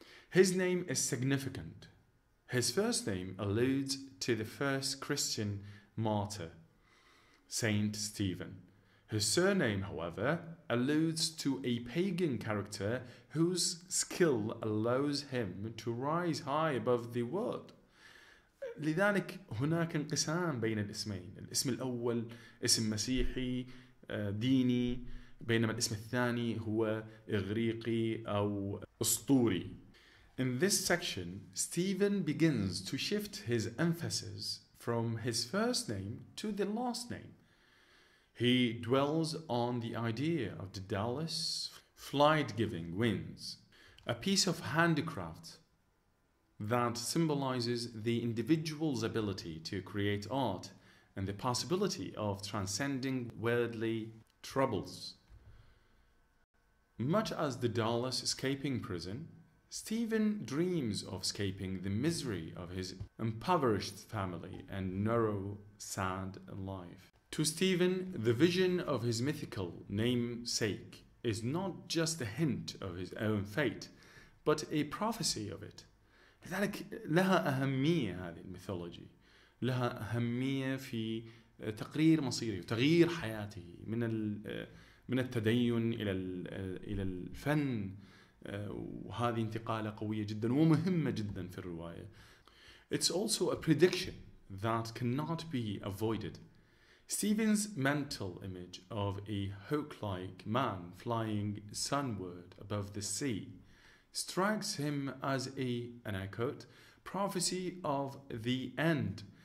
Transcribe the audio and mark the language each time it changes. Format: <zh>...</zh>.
<en>His name is significant. His first name alludes to the first Christian martyr, Saint Stephen. His surname, however, alludes to a pagan character whose skill allows him to rise high above the world.</en> <ar>لذلك هناك انقسام بين الاسمين. الاسم الأول اسم مسيحي ديني، بينما الاسم الثاني هو إغريقي أو أسطوري.</ar> <en>In this section, Stephen begins to shift his emphasis from his first name to the last name. He dwells on the idea of Daedalus' flight-giving wings, a piece of handicraft that symbolizes the individual's ability to create art and the possibility of transcending worldly troubles. Much as Daedalus escaping prison, Stephen dreams of escaping the misery of his impoverished family and narrow, sad life. To Stephen, the vision of his mythical namesake is not just a hint of his own fate, but a prophecy of it.</en> <ar>لذلك لها أهمية هذه الميثولوجي، لها أهمية في تقرير مصيره وتغيير حياته من التدين إلى الفن، وهذه انتقالة قوية جدا ومهمة جدا في الرواية.</ar> <en>It's also a prediction that cannot be avoided. Stephen's mental image of a hawk-like man flying sunward above the sea strikes him as a, and I quote, prophecy of the end.</en>